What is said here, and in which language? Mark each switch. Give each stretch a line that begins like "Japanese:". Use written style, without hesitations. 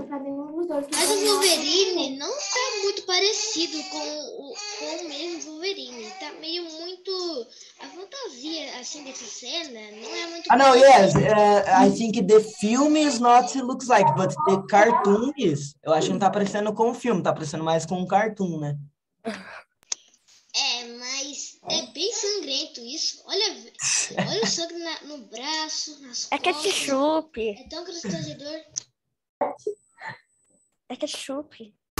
Portuguese: Mas o Wolverine não tá muito parecido com o mesmo Wolverine. Tá meio muito. A fantasia assim dessa cena não é muito. Ah, não, yes.
English: I think the film is not looks like, but the cartoon is.
Portuguese: Eu acho que não tá parecendo com o filme, tá parecendo mais com o cartoon, né? É, mas é bem sangrento isso. Olha o sangue no braço, nas costas. É ketchup. É tão constrangedor. É ketchup.